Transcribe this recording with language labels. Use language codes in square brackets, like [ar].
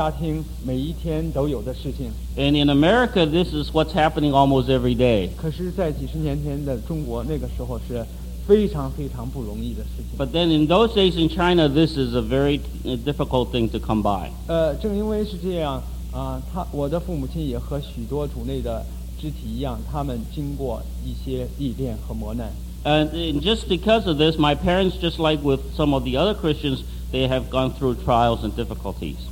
[zh] 在美国这是很多家庭每一天都有的事情。 [en] And in America, this is what's happening almost every day. [zh] 可是在几十年前的中国，那个时候是非常非常不容易的事情。 [en] But then in those days in China, this is a very difficult thing to come by. [zh] 正因为是这样，我的父母亲也和许多主内的 肢体一样，他们经过一些历练和磨难。 [en] And just because of this, my parents, just like with some of the other Christians, they have gone through trials and difficulties.